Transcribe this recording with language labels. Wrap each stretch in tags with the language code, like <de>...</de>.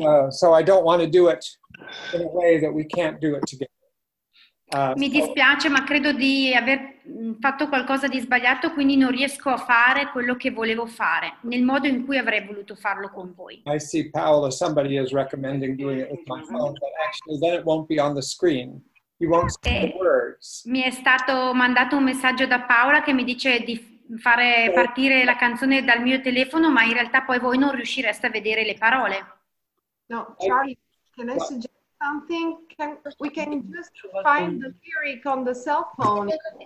<en>So I don't want to do it in a way that we can't do it together.</en> <it>Mi dispiace, ma credo di aver fatto qualcosa di sbagliato, quindi non riesco a fare quello che volevo fare nel modo in cui avrei voluto farlo con voi.</it> <en>I see Paola, somebody is recommending doing it with my phone, but actually then it won't be on the screen. You won't see the words.</en> <it>Mi è stato mandato un messaggio da Paola che mi dice di fare partire la canzone dal mio telefono, ma in realtà poi voi non riuscireste a vedere le parole.</it> <en>No, Charlie, can I suggest something? We can just find the lyric on the cell phone.</en>